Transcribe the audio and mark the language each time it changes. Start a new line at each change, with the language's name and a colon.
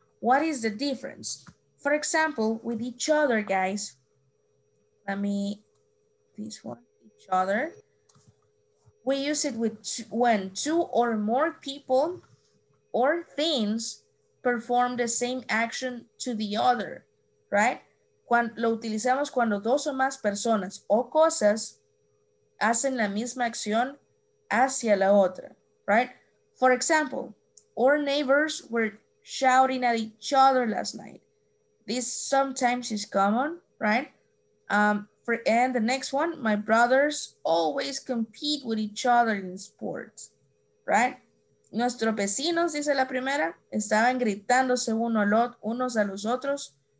English: What is the difference? For example, with each other, guys. Let me, this one, each other. We use it with when two or more people or things perform the same action to the other, right?
Spanish: Lo utilizamos cuando dos o más personas o cosas hacen la misma acción hacia la otra, right?
English: For example, our neighbors were shouting at each other last night. This sometimes is common, right? And the next one, my brothers always compete with each other in sports, right?
Spanish: Nuestros vecinos, dice la primera, estaban gritándose unos a los otros